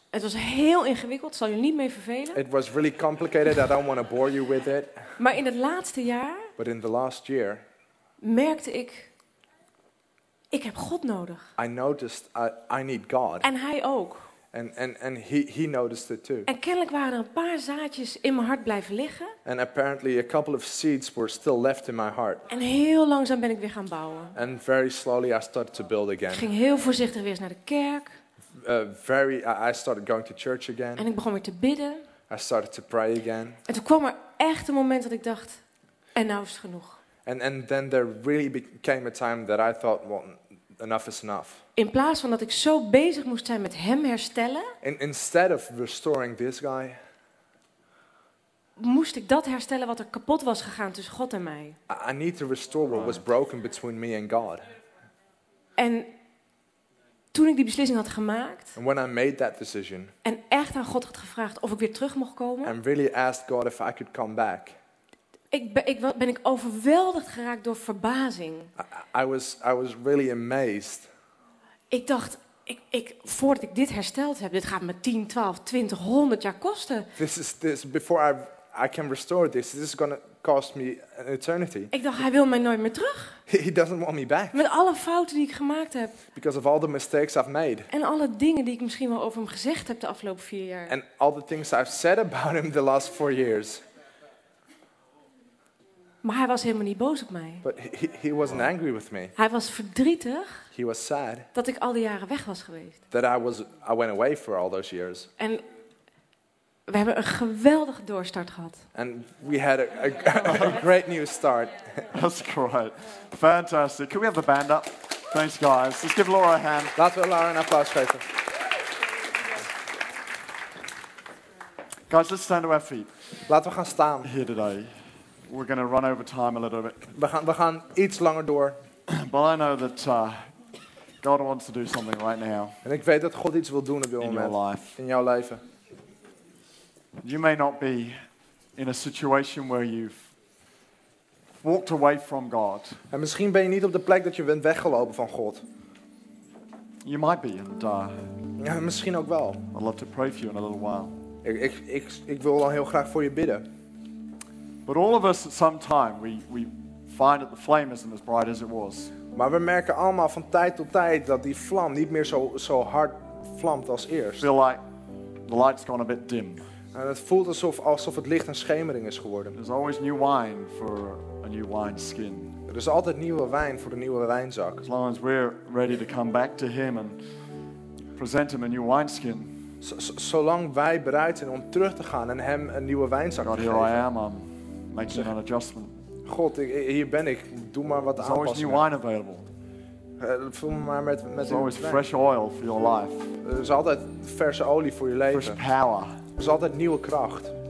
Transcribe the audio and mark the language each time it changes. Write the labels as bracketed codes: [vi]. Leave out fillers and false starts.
[nl] Het was heel ingewikkeld. Zal je niet mee vervelen. [en] It was really complicated. I don't want to bore you with it. [nl] Maar in het laatste jaar, [en] but in the last year, [nl] merkte ik, ik heb God nodig. [en] I noticed I need God. [nl] En hij ook. [en] And he noticed it too. [nl] En kennelijk waren er een paar zaadjes in mijn hart blijven liggen. [en] And apparently a couple of seeds were still left in my heart. [nl] En heel langzaam ben ik weer gaan bouwen. [en] And very slowly I started to build again. [nl] Ik ging heel voorzichtig weer eens naar de kerk. [en] I started going to church again. [nl] En ik begon weer te bidden. [en] I started to pray again. [nl] En toen kwam er echt een moment dat ik dacht, en nou is het genoeg. [en] And then there really became a time that I thought, well, enough is enough. [nl] In plaats van dat ik zo bezig moest zijn met hem herstellen, [en] instead of restoring this guy, [nl] moest ik dat herstellen wat er kapot was gegaan tussen God en mij. [en] I need to restore what was broken between me and God. [nl] En toen ik die beslissing had gemaakt, [en] and when I made that decision, [nl] en echt aan God had gevraagd of ik weer terug mocht komen, [en] and really asked God if I could come back, [nl] Ik ben overweldigd geraakt door verbazing. [en] I was really amazed. [nl] Ik dacht, ik voordat ik dit hersteld heb, dit gaat me 10, 12, 20, 100 jaar kosten. [en] This before I can restore this. This is gonna cost me an eternity. [nl] Ik dacht, hij wil mij nooit meer terug. [en] He doesn't want me back. [nl] Met alle fouten die ik gemaakt heb. [en] Because of all the mistakes I've made. [nl] En alle dingen die ik misschien wel over hem gezegd heb de afgelopen 4 jaar. [en] And all the things I've said about him the last 4 years. [nl] Maar hij was helemaal niet boos op mij. [en] But he wasn't angry with me. [nl] Hij was verdrietig. [en] He was sad. [nl] Dat ik al die jaren weg was geweest. [en] That I went away for all those years. [nl] En we hebben een geweldige doorstart gehad. [en] And we had a great new start. That's great. Fantastic. Can we have the band up? Thanks, guys. Let's give Laura a hand. [nl] Laten we Laura een applaus geven. [en] Guys, let's stand to our feet. [nl] Laten we gaan staan. [en] Here today. We're going to run over time a little bit. [nl] We gaan iets langer door. [en] But I know that God wants to do something right now. [nl] En ik weet dat God iets wil doen op dit moment. [en] In your life. [nl] In jouw leven. [en] You may not be in a situation where you've walked away from God. [nl] En misschien ben je niet op de plek dat je bent weggelopen van God. [en] You might be. And, [nl] ja, misschien ook wel. [en] I'd love to pray for you in a little while. [nl] Ik wil dan heel graag voor je bidden. [en] But all of us at some time we find that the flame isn't as bright as it was. [nl] Maar we merken allemaal van tijd tot tijd dat die vlam niet meer zo hard vlamt als eerst. [en] Feel like the light's gone a bit dim. [nl] En het voelt alsof het licht een schemering is geworden. [en] There's always new wine for a new wine skin. [nl] Er is altijd nieuwe wijn voor de nieuwe wijnzak. [en] As long as we're ready to come back to him and present him a new wine skin. [nl] Zolang wij bereid zijn om terug te gaan en hem een nieuwe wijnzak [en] God, [nl] te geven. [en] God, here I am, I'm making an adjustment. [nl] God, hier ben ik. Doe maar wat aanpassingen. [en] There's always new wine available. [nl] Vul me maar met [en] There's always fresh oil for your life. [nl] Er is altijd verse olie voor je leven. [en] Fresh power. [nl] Er is altijd nieuwe kracht.